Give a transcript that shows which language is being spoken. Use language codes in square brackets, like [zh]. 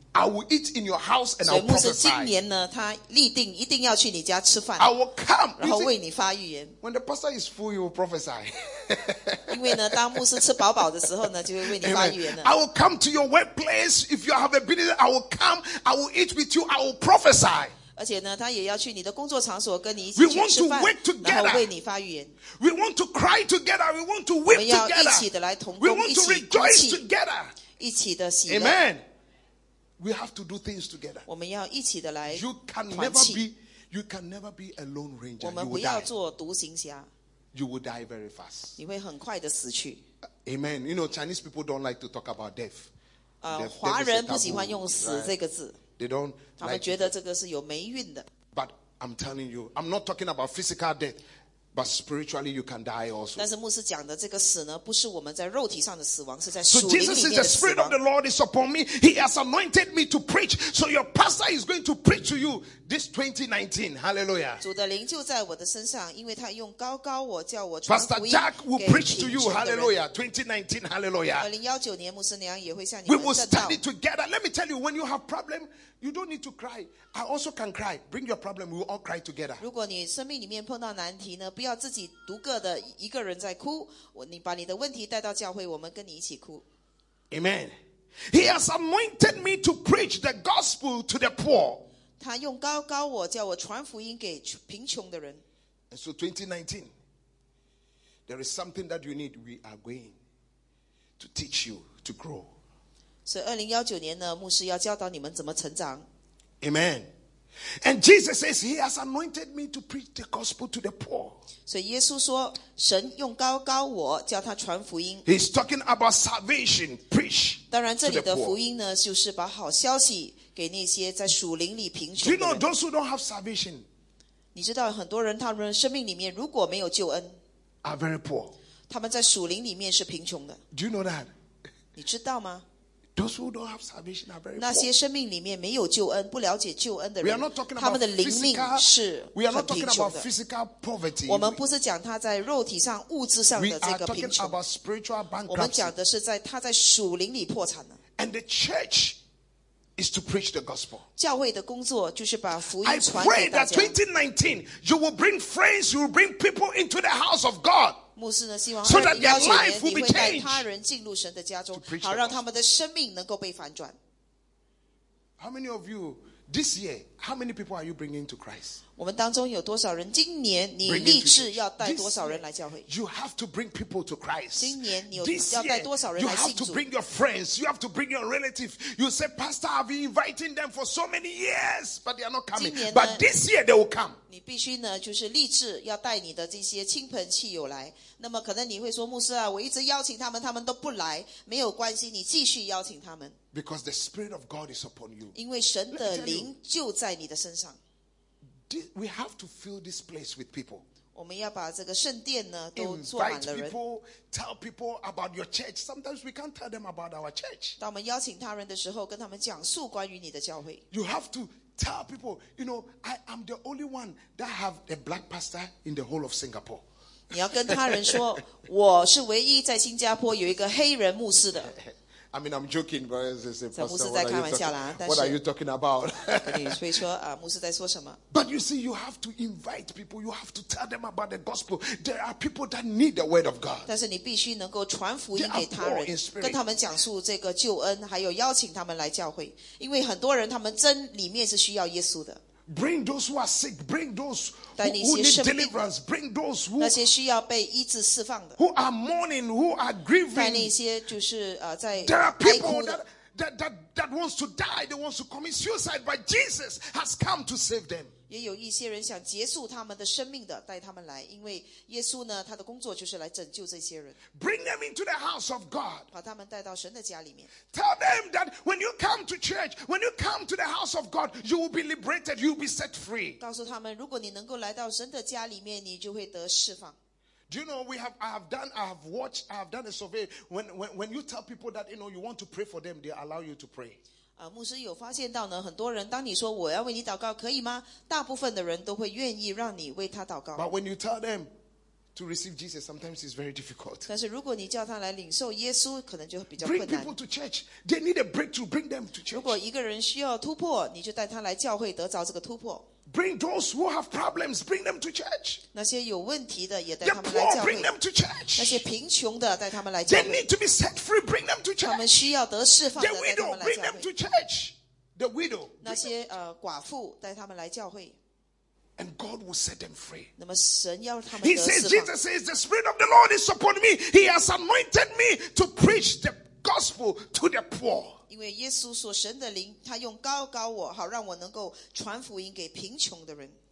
[en] I will eat in your house and I will prophesy. [zh] 所以牧师今年呢，他立定一定要去你家吃饭。 [en] I will come. [zh] 然后为你发预言。 [en] When the pastor is full, you will prophesy. [zh] 因为呢，当牧师吃饱饱的时候呢，就会为你发预言了。 [en] I will come to your workplace if you have a business. I will come. I will eat with you. I will prophesy. [zh] 而且呢，他也要去你的工作场所跟你一起去吃饭。 [en] We want to work together. [zh] 然后为你发预言。 [en] We want to cry together. We want to weep together. [zh] 我们要一起的来同工，一起哭泣。 [en] We want to rejoice together. [zh] 一起的喜乐。 [en] Amen. We have to do things together. [zh] 我们要一起的来。 [en] You can never be a lone ranger. [zh] 我们不要做独行侠。 [en] You will die very fast. [zh] 你会很快的死去。 [en] Amen. You know, Chinese people don't like to talk about death. [zh] 华人不喜欢用死这个字。 [en] They don't. [zh] 他们觉得这个是有霉运的。 [en] But I'm telling you, I'm not talking about physical death, but spiritually you can die also. [zh] 但是牧师讲的这个死呢，不是我们在肉体上的死亡，是在属灵里面的死亡。 [en] So Jesus is the Spirit of the Lord is upon me. He has anointed me to preach. So your pastor is going to preach to you this 2019. Hallelujah. [zh] 主的灵就在我的身上，因为他用高高我叫我传福音给贫穷的人。 [en] Pastor Jack will preach to you. Hallelujah. 2019. Hallelujah. [zh] 2019年牧师娘也会向你们证道。 [en] We will study together. Let me tell you, when you have problem, you don't need to cry. I also can cry. Bring your problem. We will all cry together. [zh] 如果你生命里面碰到难题呢？不要自己独个的一个人在哭，你把你的问题带到教会，我们跟你一起哭。 [en] Amen. He has anointed me to preach the gospel to the poor. [zh] 他用高高我叫我传福音给贫穷的人。 [en] And so 2019, there is something that you need. We are going to teach you to grow. [zh] 所以2019年呢，牧师要教导你们怎么成长。 [en] Amen. And Jesus says, He has anointed me to preach the gospel to the poor. [zh] 所以耶稣说，神用高高我叫他传福音。 [en] He's talking about salvation, preach. [zh] 当然，这里的福音呢，就是把好消息给那些在属灵里贫穷的人。 [en] Do you know those who don't have salvation? [zh] 你知道很多人他们生命里面如果没有救恩 [en] are very poor. [zh] 他们在属灵里面是贫穷的。 [en] Do you know that? [zh] 你知道吗？ [en] Those who don't have salvation are very poor. [zh] 那些生命里面没有救恩、不了解救恩的人， [en] we are not talking about [zh] 他们的灵命是很贫穷的。 [en] We are not talking about physical poverty. [zh] 我们不是讲他在肉体上、物质上的这个贫穷。 [en] We are talking about spiritual bankruptcy. [zh] 我们讲的是在他在属灵里破产了。 [en] And the church is to preach the gospel. [zh] 教会的工作就是把福音传给大家。 [en] I pray that 2019, you will bring friends, you will bring people into the house of God. [zh] 牧师呢希望2019年你会带他人进入神的家中，好让他们的生命能够被反转。 [en] How many of you this year? How many people are you bringing to Christ? [zh] 我们当中有多少人今年你立志要带多少人来教会？ [en] You have to bring people to Christ. [zh] 今年你要带多少人来信主？ [en] You have to bring your friends. You have to bring your relatives. You say, Pastor, I've been inviting them for so many years, but they are not coming. But this year they will come. [zh] 你必须呢，就是立志要带你的这些亲朋戚友来。那么可能你会说，牧师啊，我一直邀请他们，他们都不来。没有关系，你继续邀请他们。 [en] Because the Spirit of God is upon you. [zh] 因为神的灵就在你的身上。 [en] We have to fill this place with people. [zh] 我们要把这个圣殿呢都坐满了人。 [en] Invite people, tell people about your church. Sometimes we can't tell them about our church. [zh] 当我们邀请他人的时候，跟他们讲述关于你的教会。 [en] You have to tell people. You know, I am the only one that have a black pastor in the whole of Singapore. [zh] 你要跟他人说，我是唯一在新加坡有一个黑人牧师的。 [en] I mean, I'm joking, but it's a pastor. [zh] 牧师在开玩笑啦。 [en] What are you talking about? [zh] 你会说啊，牧师在说什么？ [en] But you see, you have to invite people. You have to tell them about the gospel. There are people that need the word of God. [zh] 但是你必须能够传福音给他人，跟他们讲述这个救恩，还有邀请他们来教会。因为很多人他们真里面是需要耶稣的。 [en] Bring those who are sick. Bring those who need deliverance. Bring those who [zh] 那些需要被医治释放的 [en] who are mourning, who are grieving. [zh] 带那些就是在哀哭的 [en] There are people that wants to die. They want to commit suicide, but Jesus has come to save them. [zh] 也有一些人想结束他们的生命的，带他们来，因为耶稣呢，他的工作就是来拯救这些人。 [en] Bring them into the house of God. [zh] 把他们带到神的家里面。 [en] Tell them that when you come to church, when you come to the house of God, you will be liberated, you will be set free. [zh] 告诉他们，如果你能够来到神的家里面，你就会得释放。 [en] Do you know I have done a survey. When you tell people that you know you want to pray for them, they allow you to pray. [zh] 牧师有发现到呢，很多人当你说我要为你祷告，可以吗？大部分的人都会愿意让你为他祷告。 [en] But when you tell them to receive Jesus, sometimes it's very difficult. [zh] 但是如果你叫他来领受耶稣，可能就比较困难。 [en] Bring people to church. They need a breakthrough. Bring them to church. [zh] 如果一个人需要突破，你就带他来教会得着这个突破。 [en] Bring those who have problems, bring them to church. [zh] 那些有问题的也带他们来教会。 [en] Bring them to church. [zh] 那些贫穷的带他们来教会。 [en] They need to be set free, bring them to church. [zh] 他们需要得释放的带他们来教会。 [en] The widow, bring them to church. The widow. [zh] 那些寡妇带他们来教会。 [en] And God will set them free. [zh] 那么神要他们得释放。 [en] He says, Jesus says, the Spirit of the Lord is upon me. He has anointed me to preach the gospel to the poor. [zh] 因为耶稣所神的灵他用高高我好让我能够传福音给贫穷的人